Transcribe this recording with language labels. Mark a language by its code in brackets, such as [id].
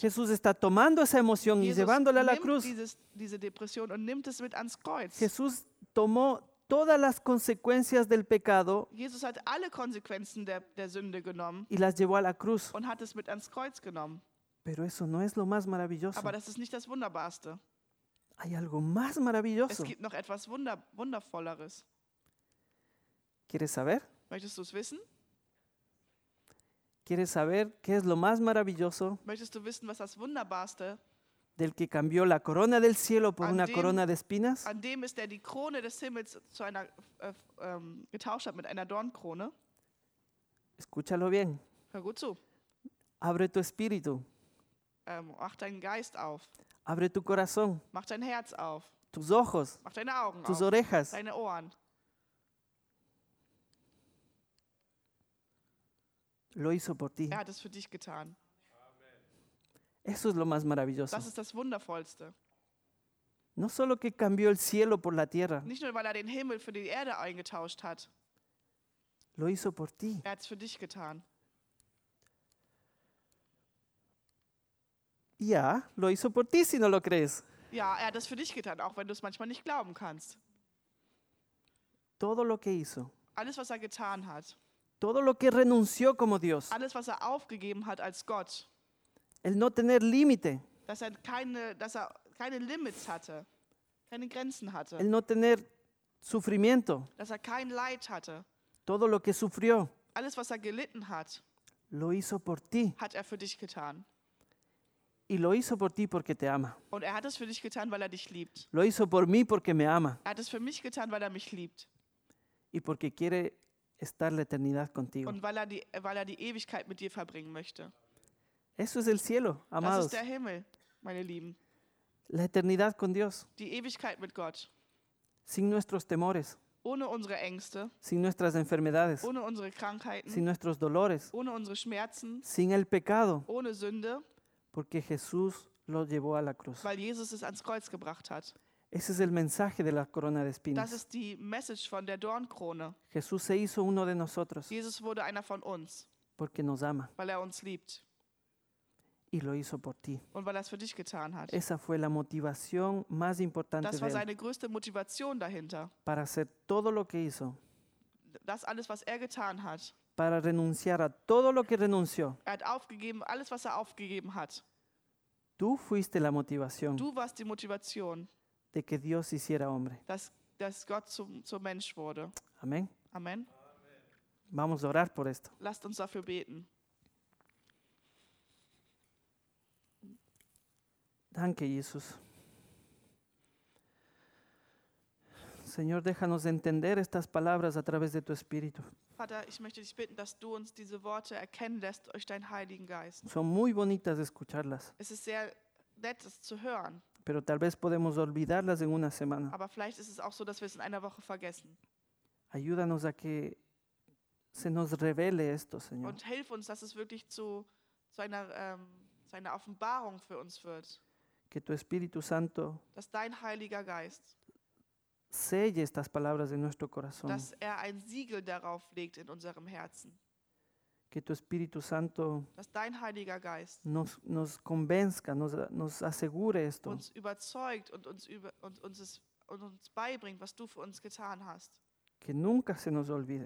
[es] Jesús está tomando esa emoción y llevándola a la cruz. [de] Diese Depression und nimmt es mit ans Kreuz. [es] Jesús tomó todas las consecuencias del pecado. [de] Jesus hat alle Konsequenzen der Sünde genommen [es] y las llevó a la cruz. [de] Und hat es mit ans Kreuz genommen. [es] Pero eso no es lo más maravilloso. [de] Aber das ist nicht das Wunderbarste. [es] Hay algo más maravilloso. [de] Es gibt noch etwas Wundervolleres. [es] ¿Quieres saber? [de] Möchtest du es wissen? [es] ¿Quieres saber qué es lo más maravilloso? [de] Möchtest du wissen, was das Wunderbarste? [es] Del que cambió la corona del cielo por una corona de espinas. [de] An dem ist der die Krone des Himmels zu einer getauscht hat mit einer Dornkrone. [es] Escúchalo bien. [de] Hör gut zu. [es] Abre tu espíritu. [de] Mach deinen Geist auf. [es] Abre tu corazón. [de] Mach dein Herz auf. [es] Tus ojos. [de] Mach deine Augen [es] tus [de] auf. [es] Tus orejas. [de] Deine Ohren. [es] Lo hizo por ti. [de] Er hat es für dich getan. Amen. [es] Eso es lo más maravilloso. [de] Das ist das Wundervollste. [es] No solo que cambió el cielo por la tierra. [de] Nicht nur, weil er den Himmel für die Erde eingetauscht hat. [es] Lo hizo por ti. [de] Er hat es für dich getan. [es] Ja, lo hizo por ti, si no lo crees. [de] Ja, er hat das für dich getan, auch wenn du es manchmal nicht glauben kannst. [es] Todo lo que hizo. [de] Alles, was er getan hat. [es] Todo lo que renunció como Dios. [de] Alles, was er aufgegeben hat als Gott. [es] El no tener límite. [de] Dass er keine Limits hatte, keine Grenzen hatte. [es] El no tener sufrimiento. [de] Dass er kein Leid hatte. [es] Todo lo que sufrió. [de] Alles, was er gelitten hat. [es] Lo hizo por ti. [de] Hat er für dich getan. [es] Y lo hizo por ti porque te ama. [de] Und er hat es für dich getan, weil er dich liebt. [es] Lo hizo por mí porque me ama. [de] Er hat es für mich getan, weil er mich liebt. [es] Y porque quiere estar la eternidad contigo. [de] Und weil er die Ewigkeit mit dir verbringen möchte. [es] Eso es el cielo, amados. [de] Das ist der Himmel, meine Lieben. [es] La eternidad con Dios. [de] Die Ewigkeit mit Gott. [es] Sin nuestros temores. [de] Ohne unsere Ängste. [es] Sin nuestras enfermedades. [de] Ohne unsere Krankheiten. [es] Sin nuestros dolores. [de] Ohne unsere Schmerzen. [es] Sin el pecado. [de] Ohne Sünde. [es] Porque Jesús lo llevó a la cruz. [de] Weil Jesus es ans Kreuz gebracht hat. [es] Ese es el mensaje de la corona de espinas. [de] Das ist die Message von der Dornkrone. [es] Jesús se hizo uno de nosotros. [de] Jesus wurde einer von uns. [es] Porque nos ama. [de] Weil er uns liebt. [es] Y lo hizo por ti. [de] Und weil er es für dich getan hat. [es] Esa fue la motivación más importante. [de] Das war seine größte Motivation dahinter. [es] Para hacer todo lo que hizo. [de] Das alles, was er getan hat. [es] Para renunciar a todo lo que renunció. [de] Er hat aufgegeben, alles, was er aufgegeben hat. [es] Du fuiste la motivación. [de] Du warst die Motivation. [es] De que Dios hiciera hombre. [de] Dass Gott zum Mensch wurde. Amen. Amen. [es] Vamos a orar por esto. [de] Lasst uns dafür beten. Danke, Jesus. [es] Señor, déjanos entender estas palabras a través de tu Espíritu. [de] Vater, ich möchte dich bitten, dass du uns diese Worte erkennen lässt durch deinen Heiligen Geist. [es] Son muy bonitas escucharlas. [de] Es ist sehr nett, es zu hören. [es] Pero tal vez podemos olvidarlas en una semana. [de] Aber vielleicht ist es auch so, dass wir es in einer Woche vergessen. [es] Ayúdanos a que se nos revele esto, Señor. [de] Und hilf uns, dass es wirklich zu einer Offenbarung für uns wird. [es] Que tu Espíritu Santo, [de] dass dein Heiliger Geist, [es] selle estas palabras en nuestro corazón. [de] Dass er ein Siegel darauf legt in unserem Herzen. [es] Que tu Espíritu Santo, [de] dass dein Heiliger Geist, [es] nos convenzca, nos asegure esto. [de] Uns überzeugt und uns beibringt, was du für uns getan hast. [es] Que nunca se nos olvide.